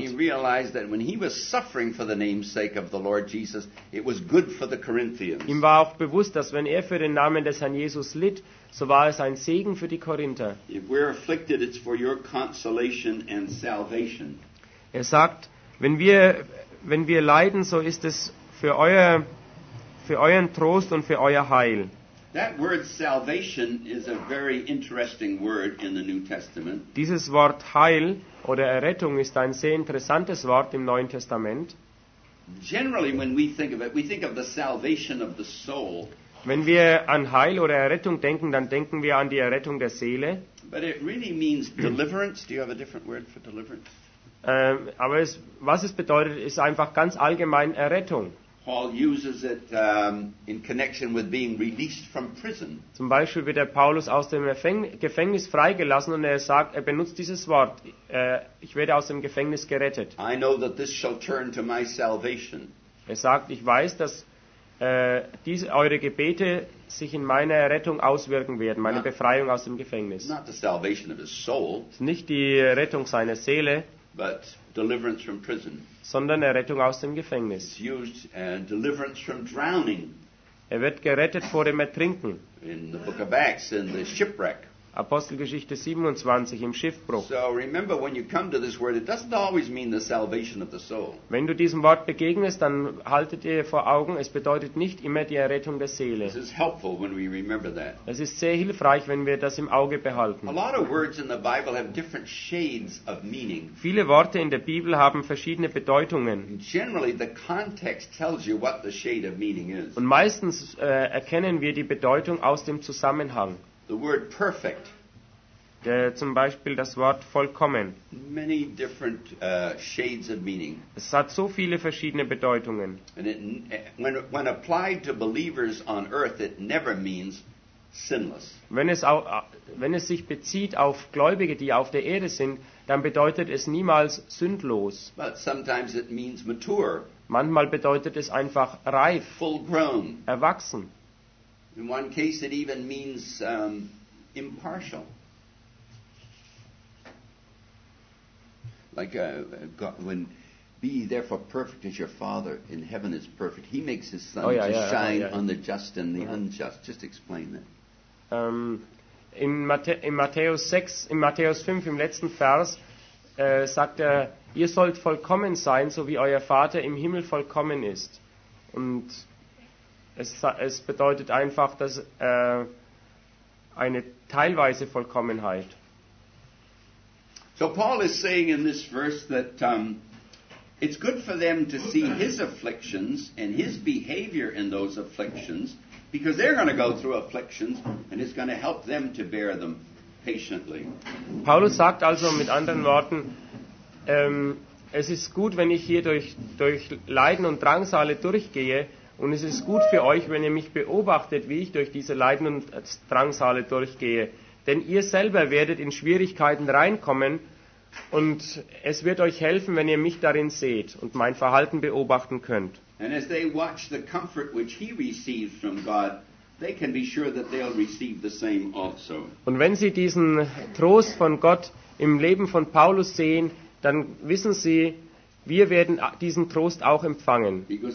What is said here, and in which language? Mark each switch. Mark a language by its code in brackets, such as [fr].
[en] And he realized that when he was suffering for the name's sake of the Lord Jesus, it was good for the Corinthians. [de] Ihm war auch bewusst, dass wenn er für den Namen des Herrn Jesus litt, so war es ein Segen für die Korinther. [en] If we're afflicted, it's for your consolation and salvation. [de] Er sagt, wenn wir leiden, so ist es für euren Trost und für euer Heil. [en] That word salvation is a very interesting word in the New Testament. [de] Dieses Wort Heil oder Errettung ist ein sehr interessantes Wort im Neuen Testament. [en] Generally when we think of it, we think of the salvation of the soul. [de] Wenn wir an Heil oder Errettung denken, dann denken wir an die Errettung der Seele. [en] But it really means deliverance. Do you have a different word for deliverance? [de] Was es bedeutet, ist einfach ganz allgemein Errettung. [en] Paul uses it in connection with being released from prison. [de] Zum Beispiel wird der Paulus aus dem Gefängnis freigelassen und er sagt, er benutzt dieses Wort, ich werde aus dem Gefängnis gerettet. [en] I know that this shall turn to my salvation. [de] Er sagt, ich weiß, dass eure Gebete sich in meiner Errettung auswirken werden, meine Befreiung aus dem Gefängnis. [en] Not the salvation of his soul. [de] Nicht die Rettung seiner Seele. [en] But deliverance from prison. [de] Sondern Errettung aus dem Gefängnis. [en] It's used, deliverance from drowning. [de] Er wird gerettet vor dem Ertrinken. [en] In the book of Acts, in the shipwreck. [de] Apostelgeschichte 27 im Schiffbruch. [en] So remember, when you come to this word, it doesn't always mean the salvation of the soul. [de] Wenn du diesem Wort begegnest, dann haltet ihr vor Augen, es bedeutet nicht immer die Errettung der Seele. [en] This is helpful when we remember that. [de] Es ist sehr hilfreich, wenn wir das im Auge behalten. [en] A lot of words in the Bible have different shades of meaning. [de] Viele Worte in der Bibel haben verschiedene Bedeutungen. [en] Generally, the context tells you what the shade of meaning is. [de] Und meistens erkennen wir die Bedeutung aus dem Zusammenhang. [en] The word perfect. [de] Zum Beispiel das Wort vollkommen. [en] Many different shades of meaning. [de] Es hat so viele verschiedene Bedeutungen. [en] And it, when applied to believers on earth, it never means sinless. [de] Wenn es sich bezieht auf Gläubige, die auf der Erde sind, dann bedeutet es niemals sündlos. [en] But sometimes it means mature. [de] Manchmal bedeutet es einfach reif. [en] Full grown. [de] Erwachsen. [en] In one case it even means impartial. Like God, when be therefore perfect as your Father in heaven is perfect. He makes his sun on the just and the unjust. Just explain that. [de] In Matthäus 5 im letzten Vers sagt er, ihr sollt vollkommen sein, so wie euer Vater im Himmel vollkommen ist. Und Es bedeutet einfach, dass eine teilweise Vollkommenheit. [en] So Paul is saying in this verse that it's good for them to see his afflictions and his behavior in those afflictions, because they're going to go through afflictions and it's going to help them to bear them patiently. [de] Paulus sagt also mit anderen Worten, es ist gut, wenn ich hier durch Leiden und Drangsale durchgehe. Und es ist gut für euch, wenn ihr mich beobachtet, wie ich durch diese Leiden und Drangsale durchgehe. Denn ihr selber werdet in Schwierigkeiten reinkommen und es wird euch helfen, wenn ihr mich darin seht und mein Verhalten beobachten könnt. [en] And as they watch the comfort which he received from God, they can be sure that they'll receive the same also. [de] Und wenn sie diesen Trost von Gott im Leben von Paulus sehen, dann wissen sie, wir werden diesen Trost auch empfangen.